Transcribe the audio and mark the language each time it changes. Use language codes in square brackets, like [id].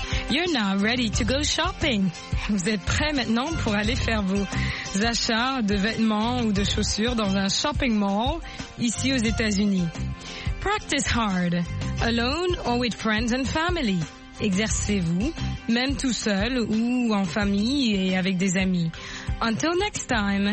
[en] You're now ready to go shopping. [fr] Vous êtes prêt maintenant pour aller faire vos achats de vêtements ou de chaussures dans un shopping mall ici aux États-Unis. [en] Practice hard, alone or with friends and family. [fr] Exercez-vous, même tout seul ou en famille et avec des amis. [en] Until next time.